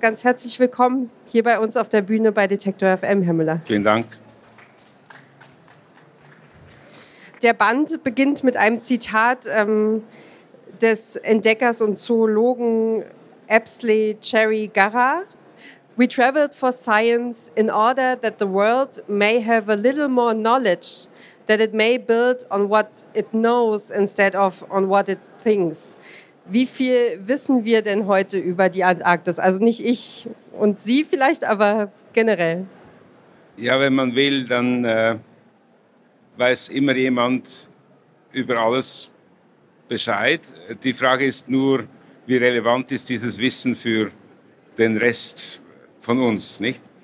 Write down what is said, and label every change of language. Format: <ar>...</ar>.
<de>Ganz herzlich willkommen hier bei uns auf der Bühne bei Detektor FM, Herr Müller. Vielen Dank. Der Band beginnt mit einem Zitat des Entdeckers und Zoologen Apsley Cherry Garra.</de> <en>We traveled for science in order that the world may have a little more knowledge, that it may build on what it knows instead of on what it thinks.</en> <de>Wie viel wissen wir denn heute über die Antarktis? Also nicht ich und Sie vielleicht, aber generell. Ja, wenn man will, dann weiß immer jemand über alles Bescheid. Die Frage ist nur, wie relevant ist dieses Wissen für den Rest von uns, nicht?</de>